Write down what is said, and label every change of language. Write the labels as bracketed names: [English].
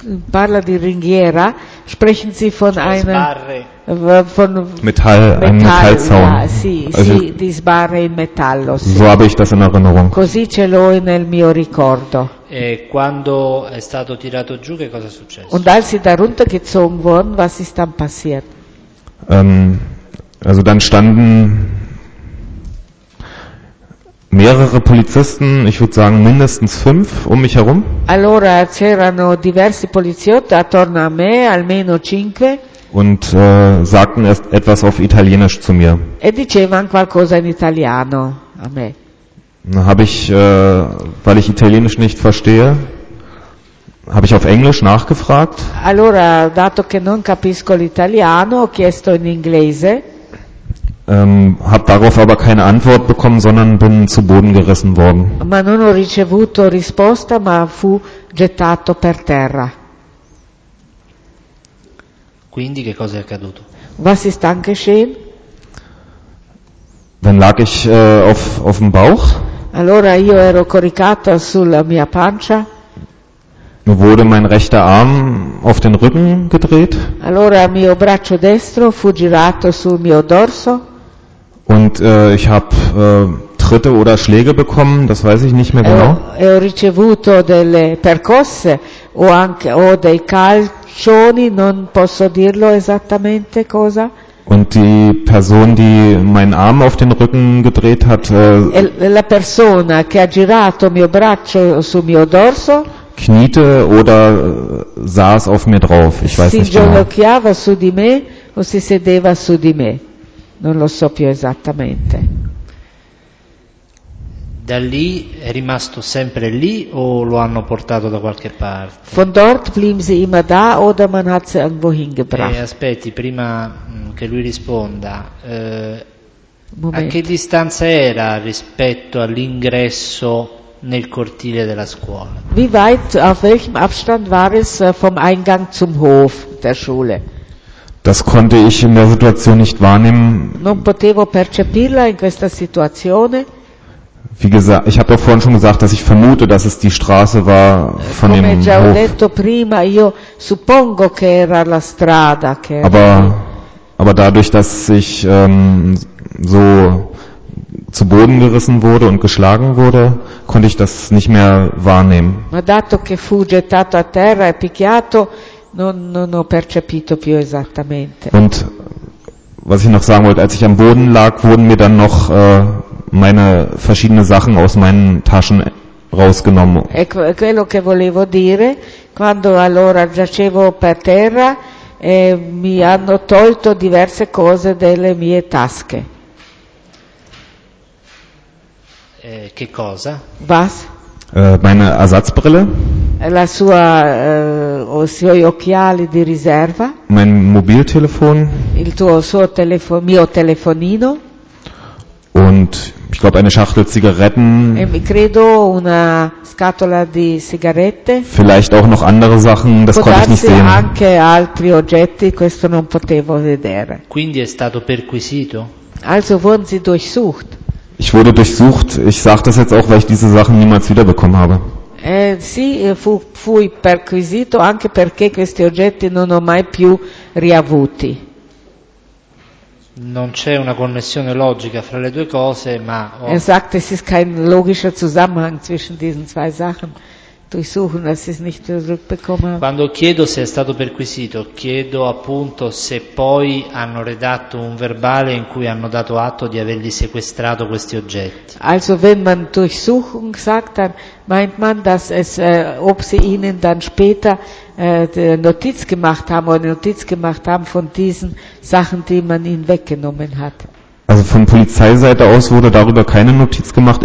[Italian] Parla di ringhiera, [German] sprechen Sie von einer von Metall, einem Metallzaun. [Italian] Ja, sì, also, sì, di sbarre in metallo. Sì. [German] So habe ich das in Erinnerung. [Italian] Così ce l'ho nel mio ricordo. E quando è stato tirato giù, che cosa è successo? [German] Und als sie darunter gezogen wurden, was ist dann passiert? Also dann standen mehrere Polizisten, ich würde sagen mindestens 5 um mich herum. [Italian] Allora c'erano diversi poliziotti attorno a me, almeno 5. [German] Und sagten erst etwas auf Italienisch zu mir. [Italian] E dicevano qualcosa in italiano a me. [German] Habe ich, weil ich Italienisch nicht verstehe, habe ich auf Englisch nachgefragt. [Italian] Allora, dato che non capisco l'italiano, ho chiesto in inglese. [German] Hab darauf aber keine Antwort bekommen, sondern bin zu Boden gerissen worden. [Italian] Ma non ho ricevuto risposta, ma fu gettato per terra. Quindi che cosa è accaduto? [German] Was ist dann geschehen? Dann lag ich auf dem Bauch. [Italian] Allora io ero coricata sulla mia pancia. [German] Mi wurde mein rechter Arm auf den Rücken gedreht. [Italian] Allora mio braccio destro fu girato sul mio dorso. [German] Und ich habe Tritte oder Schläge bekommen, das weiß ich nicht mehr genau. [Italian] E ho ricevuto delle percosse o anche o dei calcioni, non posso dirlo esattamente cosa. [German] Und die Person, die meinen Arm auf den Rücken gedreht hat, [Italian] la persona che ha girato mio braccio sul mio dorso, [German] kniete oder saß auf mir drauf, ich weiß nicht genau. [Italian] Si ginocchiava su di me o si sedeva su di me. Non lo so più esattamente. Da lì è rimasto sempre lì o lo hanno portato da qualche parte? [German] Von dort blieb sie immer da oder man hat sie irgendwo hingebracht. [Italian] Aspetti, prima che lui risponda, a che distanza era rispetto all'ingresso nel cortile della scuola? [German] Wie weit, auf welchem Abstand war es vom Eingang zum Hof der Schule? Das konnte ich in der Situation nicht wahrnehmen. [Italian] Non potevo percepirla in questa situazione. [German] Wie gesagt, ich habe doch vorhin schon gesagt, dass ich vermute, dass es die Straße war von [Italian] come [German] dem Hof. [Italian] Ho detto prima, io suppongo che era la strada che era. [German] Aber dadurch, dass ich so zu Boden gerissen wurde und geschlagen wurde, konnte ich das nicht mehr wahrnehmen. [Italian] Ma dato che fu gettato a terra e picchiato, Non ho percepito più esattamente. [German] Und was ich noch sagen wollte, als ich am Boden lag, wurden mir dann noch meine verschiedene Sachen aus meinen Taschen rausgenommen. [Italian] E quello che volevo dire, quando allora giacevo per terra, mi hanno tolto diverse cose delle mie tasche. Che cosa? [German] Was? Meine Ersatzbrille. [Italian] La sua suoi occhiali di riserva. [German] Mein Mobiltelefon. [Italian] Il tuo suo telefono, mio telefonino. [German] Und ich glaube eine Schachtel Zigaretten. [Italian] E credo una scatola di sigarette. [German] Vielleicht auch noch andere Sachen, das konnte ich nicht sehen. [Italian] Potrebbe anche altri oggetti, questo non potevo vedere. Quindi è stato perquisito. [German] Also wurden sie durchsucht. Ich wurde durchsucht. Ich sage das jetzt auch, weil ich diese Sachen niemals wiederbekommen habe. [Italian] Sì, fui perquisito anche perché questi oggetti non ho mai più riavuti. Non c'è una connessione logica fra le due cose, ma. [German] Er sagt, es ist kein logischer Zusammenhang zwischen diesen zwei Sachen. Durchsuchen, dass ich es nicht zurückbekommen habe. [Italian] Quando chiedo se è stato perquisito, chiedo appunto se poi hanno redatto un verbale in cui hanno dato atto di avergli sequestrato questi oggetti. [German] Also, wenn man Durchsuchung sagt, dann meint man, dass es, ob sie ihnen dann später Notiz gemacht haben oder Notiz gemacht haben von diesen Sachen, die man ihnen weggenommen hat. Also von Polizeiseite aus wurde darüber keine Notiz gemacht.